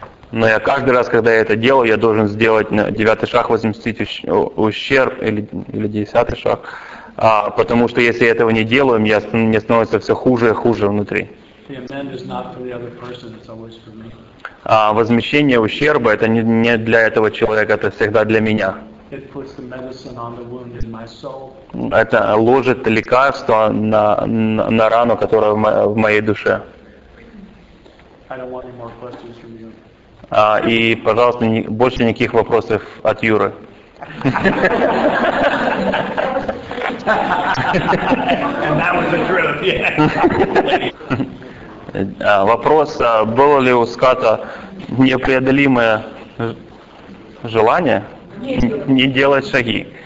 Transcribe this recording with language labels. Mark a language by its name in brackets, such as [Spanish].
[Russian] Но я каждый раз, когда я это делаю, я должен сделать 9-й шаг, возместить ущерб или 10-й шаг. Потому что если я этого не делаю, мне становится все хуже и хуже внутри. [English] The amend is not for the other person, it's always for me. [Russian] Возмещение ущерба это не для этого человека, это всегда для меня. [English] It puts the medicine on the wound in my soul. [Russian] Это ложит лекарство на рану, которая в моей душе. [English] I don't want any more questions from you. [Russian] И, пожалуйста, больше никаких вопросов от Юры. [English] And that was the truth, yeah. [Russian] Вопрос, было ли у Ската непреодолимое желание не делать шаги?